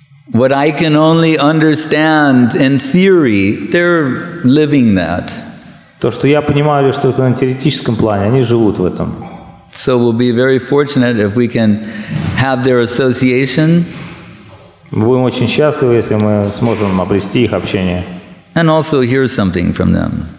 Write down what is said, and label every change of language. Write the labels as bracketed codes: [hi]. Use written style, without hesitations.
[en] What I can only understand in theory, they're living that. [ru] То, что я понимаю, что на теоретическом плане, они живут в этом. [en] So we'll be very fortunate if we can have their association. [ru] Мы будем очень счастливы, если мы сможем обрести их общение. [en] And also hear something from them.